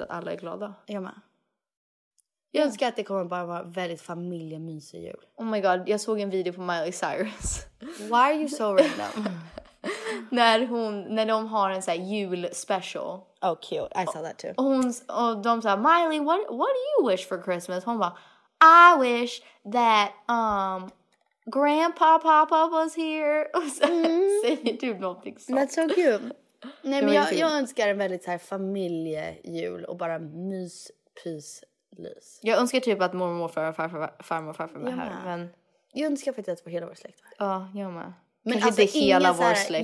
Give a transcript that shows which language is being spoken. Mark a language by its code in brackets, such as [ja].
[sv] Att alla är glada. Jag med. Jag önskar att det kommer bara vara väldigt familjemysig jul. [en] Oh my god, [sv] jag såg en video på Miley Cyrus. [en] Why are you so random? [sv] när de har en sån här jul special. [en] Oh cute, I saw that too. [sv] Och de sa, [en] Miley, what do you wish for Christmas? [sv] Hon bara, [en] I wish that Grandpa Papa was here. [sv] Och så säger typ någonting sånt. [en] That's so cute. [sv] Nej men jag önskar en väldigt sån här familjejul och bara myspyslys. Jag önskar typ att mormor och farfar farmor var här. Men... Jag önskar faktiskt att det var hela vår släkt. Ja, jag med. Men kanske alltså inte hela vår släkt.